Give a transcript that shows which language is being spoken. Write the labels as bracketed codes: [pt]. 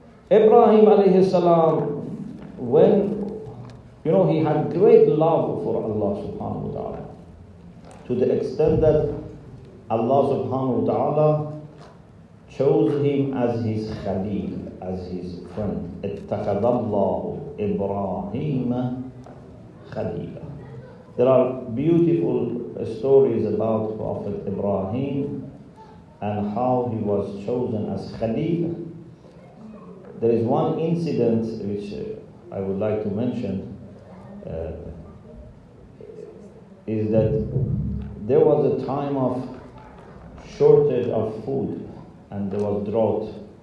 [en] Ibrahim alayhi salam, when, you know, he had great love for Allah subhanahu wa ta'ala, to the extent that Allah subhanahu wa ta'ala chose him as his khalil, as his friend. [ar] اتخذ الله إبراهيم خليلا. [en] There are beautiful stories about Prophet Ibrahim and how he was chosen as khalil. There is one incident which I would like to mention, is that there was a time of shortage of food and there was drought.